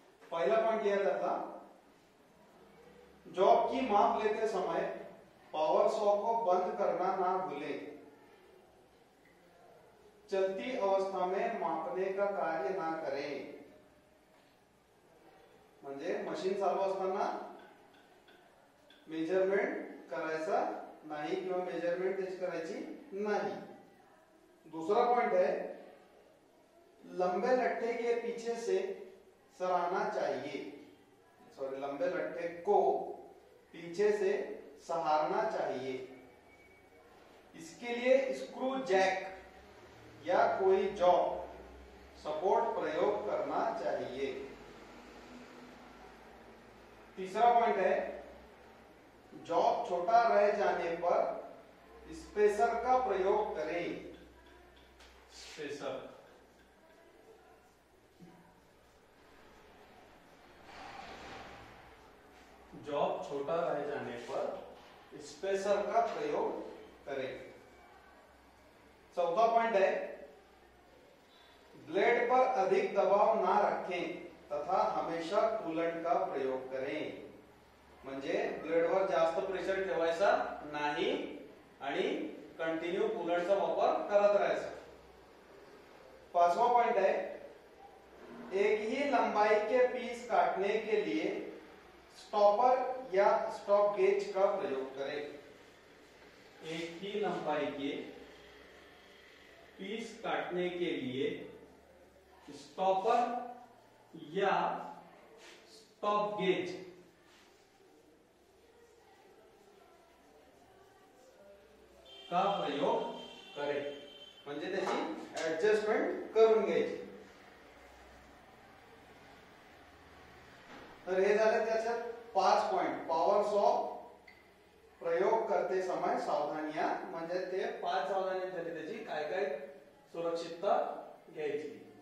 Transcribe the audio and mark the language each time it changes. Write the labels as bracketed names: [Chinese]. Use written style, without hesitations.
[Hindi] पहला पॉइंट यह था जॉब की माप लेते समय पावर सॉ को बंद करना ना भूले. चलती अवस्था में मापने का कार्य ना करें. [Marathi] म्हणजे मशीन चालू असताना मेजरमेंट करायचा नाही किंवा मेजरमेंट त्याची करायची नाही. [Hindi] दुसरा पॉइंट है लंबे लट्ठे के पीछे से सराहना चाहिए. सॉरी, लंबे लट्ठे को पीछे से सहारना चाहिए. इसके लिए स्क्रू जैक या कोई जॉब सपोर्ट प्रयोग करना चाहिए. तीसरा पॉइंट है जॉब छोटा रह जाने पर स्पेसर का प्रयोग करें. स्पेसर जॉब छोटा रह जाने पर स्पेसर का प्रयोग करें. चौथा पॉइंट है ब्लेड पर अधिक दबाव ना रखें तथा हमेशा कूलेंट का प्रयोग करें. [Marathi] म्हणजे ब्लेड वर जास्त प्रेशर ठेवायचा नाही आणि कंटिन्यू कूलेंटचा वापर करत राहायचा. [Hindi] पाचवा पॉइंट है एक ही लंबाई के पीस काटने के लिए स्टॉपर या स्टॉप गेज का प्रयोग करें. एक ही लंबाई के पीस काटने के लिए स्टॉपर या स्टॉप गेज का प्रयोग करें. [Marathi] म्हणजे त्याची ऍडजस्टमेंट करून घ्यायची. तर हे झालं त्याच्या पाच पॉइंट पॉवर सॉ [Hindi] प्रयोग करते समय सावधानिया. [Marathi] म्हणजे ते पाच सावधानी झाली त्याची काय काय सुरक्षितता घ्यायची.